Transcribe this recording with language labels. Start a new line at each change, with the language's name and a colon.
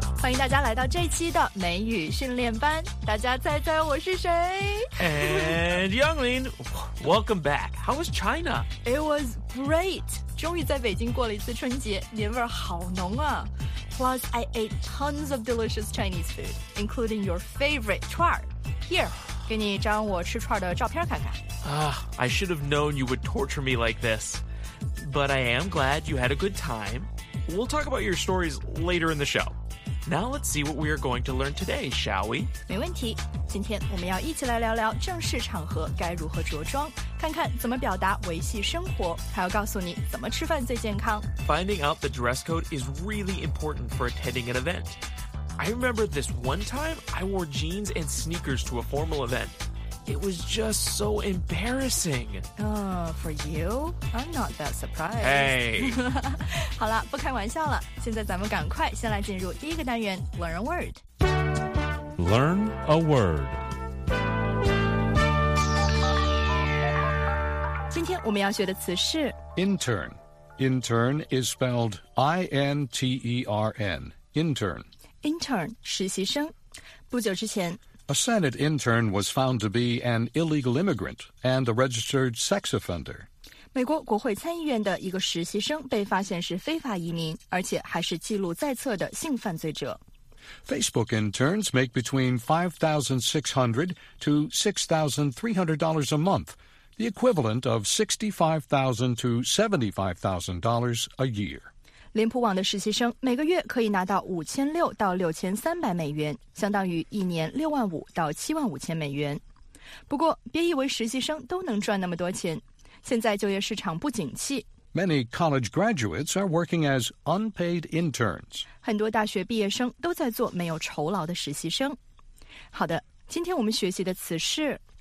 Chinese: 迎大家来到这一期的美语训练班。大家猜猜我是谁
English: ？And Yonglin, welcome back. How was China? It was great.
Chinese: 终于在北京过了一次春节，年味好浓啊。
English: Plus, I ate tons of delicious Chinese food, including your favorite 串儿。 Here,
Chinese: 给你一张我吃串儿的照片看看。
English: I should have known you would torture me like this. But I am glad you had a good time. We'll talk about your stories later in the show. Now let's see what we are going to learn today, shall we?
Chinese: 没问题。今天我们要一起来聊聊正式场合该如何着装，看看怎么表达维系生活，还要告诉你怎么吃饭最健康。
English: Finding out the dress code is really important for attending an event. I remember this one time I wore jeans and sneakers to a formal event. It was just so embarrassing. For you? I'm not that surprised. Hey!
Chinese: 好了，不开玩笑了。现在咱们赶快先来进入第一个单元
English: Learn a Word. Learn a Word.
Chinese: 今天我们要学的词是
English: Intern. Intern is spelled I-N-T-E-R-N. Intern.
Chinese: Intern, 实习生。不久之前
English: A Senate intern was found to be an illegal immigrant and a registered sex offender.
Chinese: 美国国会参议院的一个实习生被发现是非法移民，而且还是记录在册的性犯罪者。
English: Facebook interns make between $5,600 to $6,300 a month, the equivalent of $65,000 to $75,000 a year.
Chinese: 脸谱网的实习生每个月可以拿到5600到6300美元，相当于一年65000到75000美元。不过，别以为实习生都能赚那么多钱。现在就业市场不景气。
English: Many college graduates are working as unpaid interns.
Chinese: 很多大学毕业生都在做没有酬劳的实习生。好的，今天我们学习的词是